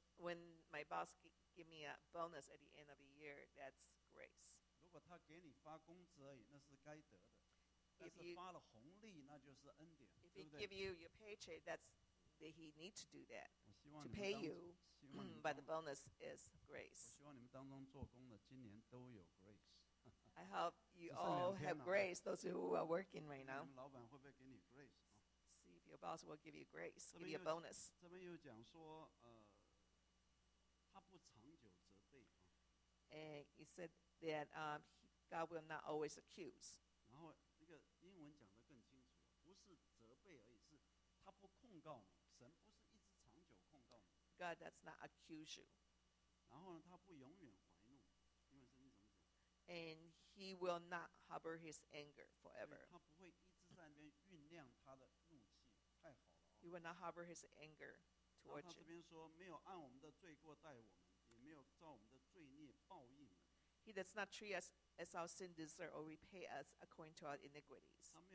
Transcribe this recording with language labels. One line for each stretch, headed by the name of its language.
English: when my boss give me a bonus at the end of the year, that's grace.
Chinese: 如果他给你发工资而已，那是该得的。但是发了红利，那就是恩典，对不对？
English: If he give you your paycheck, that's that he need to do that to pay you. But the bonus is grace.
Chinese: 我希望你们当中做工的今年都有 grace.
English: I hope you all have grace. Those who are working right now.
Chinese: 老板会不会给你 grace?
English: See if your boss will give you grace, give you a bonus.
Chinese: 这边又讲说, 他不长久责备,
English: and he said that God will not always accuse.
Chinese: 然后那个英文讲得更清楚, 不是责备而已, 是他不控告你, 神不是一直长久控告你。
English: God does not accuse you.
Chinese: 然后呢, 他不永远怀怒, 因为圣经怎么讲?
English: And he will not harbor his anger forever.
Chinese: 他不会一直在那边酝酿他的怒气。
English: He will not harbor his anger towards you. He does not treat us as our sin deserves or repay us according to our iniquities.